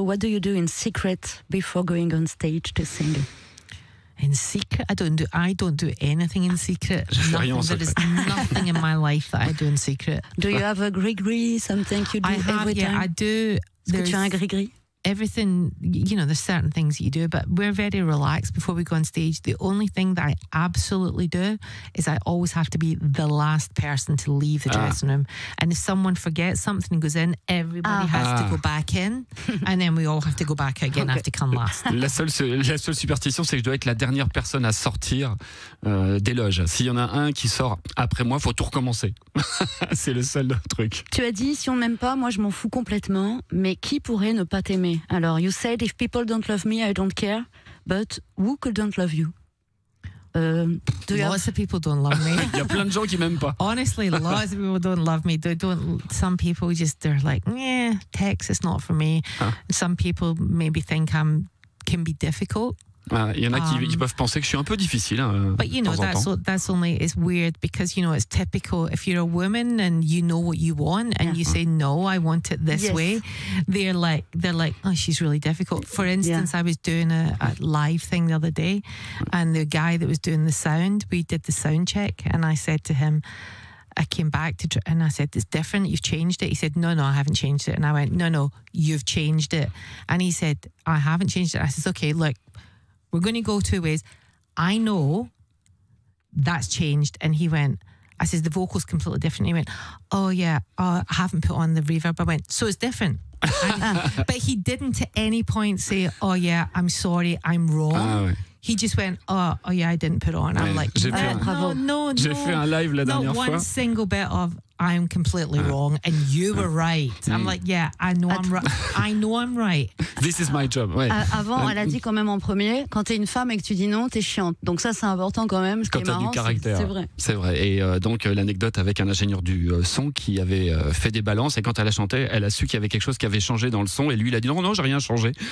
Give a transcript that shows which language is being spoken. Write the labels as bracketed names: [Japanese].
[English] What do you do in secret before going on stage to sing? In secret? I don't do anything in secret. There is nothing in my life that I do in secret. Do you have a gris-gris, something you do every time? [French] Est-ce que tu as un gris-gris? [English] Everything, you know, there's certain things that you do, but we're very relaxed before we go on stage. The only thing that I absolutely do is I always have to be the last person to leave the dressing room. And if someone forgets something and goes in, everybody has to go back in, and then we all have to go back again. Okay. I have to come last. [French] La seule superstition, c'est que je dois être la dernière personne à sortir des loges. S'il y en a un qui sort après moi, faut tout recommencer. C'est le seul truc. Tu as dit, si on ne m'aime pas, moi je m'en fous complètement, mais qui pourrait ne pas t'aimer? Alors, [English] you said, if people don't love me, I don't care, but who couldn't love you? Lots of people don't love me. [French] Il y a plein de gens qui m'aiment pas. [English] Honestly, lots of people don't love me. Some people just, they're like, yeah, Texas, not for me. Some people maybe think I can be difficult. [French] Il y en a qui peuvent penser que je suis un peu difficile. [English] But you know, that's only, it's weird because, you know, it's typical. If you're a woman and you know what you want and you say, no, I want it this way, they're like, oh, she's really difficult. For instance, I was doing a live thing the other day and the guy that was doing the sound, we did the sound check and I said to him, I came back to and I said, it's different, you've changed it. He said, no, I haven't changed it. And I went, no, you've changed it. And he said, I haven't changed it. I said, okay, look, we're going to go two ways. I know that's changed. And he went, I says, the vocal's completely different. And he went, oh, yeah, I haven't put on the reverb. I went, so it's different. But he didn't at any point say, oh, yeah, I'm sorry, I'm wrong. [French] Ah, ouais. [English] He just went, oh, I didn't put on. [French] Ouais, [English] I'm like, no. [French] J'ai fait un live la dernière fois. [English] Not one single bit of, I'm completely wrong, and you were right. I'm like, yeah, I know I'm right. This is my job, [French] ouais. Avant, elle a dit quand même en premier, quand t'es une femme et que tu dis non, t'es chiante. Donc ça, c'est important quand même. Quand t'as marrant, du caractère. C'est vrai. Et donc, l'anecdote avec un ingénieur du son qui avait fait des balances, et quand elle a chanté, elle a su qu'il y avait quelque chose qui avait changé dans le son, et lui, il a dit non, j'ai rien changé.